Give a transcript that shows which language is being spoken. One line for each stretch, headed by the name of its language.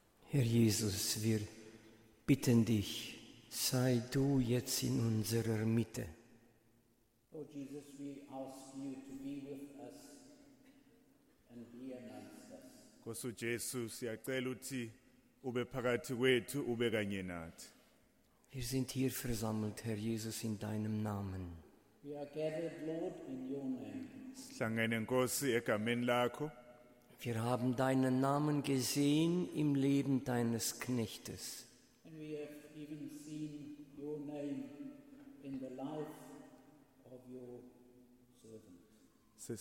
German: Herr Jesus, wir bitten dich, sei du jetzt in unserer Mitte.
English: Oh Jesus, we ask you to be with us and be amongst us.
Zulu: Nkosi Jesu, siyacela ukuthi ube phakathi kwethu, ube kanye nathi.
German: Wir sind hier versammelt, Herr Jesus, in deinem Namen.
English: We are gathered, Lord, in your name.
Zulu: Sihlangene Nkosi egameni lakho.
German: Wir haben deinen Namen gesehen im Leben deines Knechtes.
English: And we have even seen your name in the life of your servant.